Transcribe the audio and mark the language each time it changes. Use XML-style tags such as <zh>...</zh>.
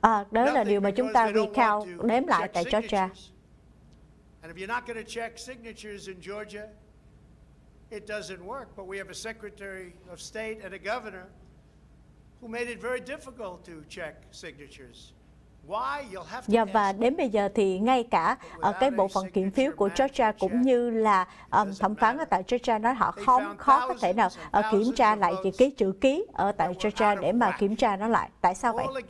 <vi>Đó là điều mà chúng ta recount, đếm lại tại Georgia.</vi> <en>And if you're not going to check signatures in Georgia, it doesn't work. But we have a Secretary of State and a Governor who made it very difficult to check signatures.</en> <vi>Dạ, và đến bây giờ thì ngay cả ở cái bộ phận kiểm phiếu của Georgia cũng như là thẩm phán ở tại Georgia nói họ không khó có thể nào kiểm tra lại chữ ký ở tại Georgia để mà kiểm tra nó lại. Tại sao vậy?</vi>